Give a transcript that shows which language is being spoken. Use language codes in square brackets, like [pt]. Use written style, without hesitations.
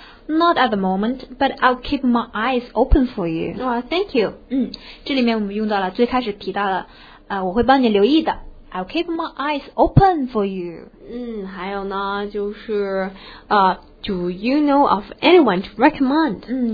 [en] Not at the moment, but I'll keep my eyes open for you. Thank you. [zh] 这里面我们用到了最开始提到了，我会帮你留意的。 [en] I'll keep my eyes open for you. [zh] 还有呢，就是 [en] Do you know of anyone to recommend?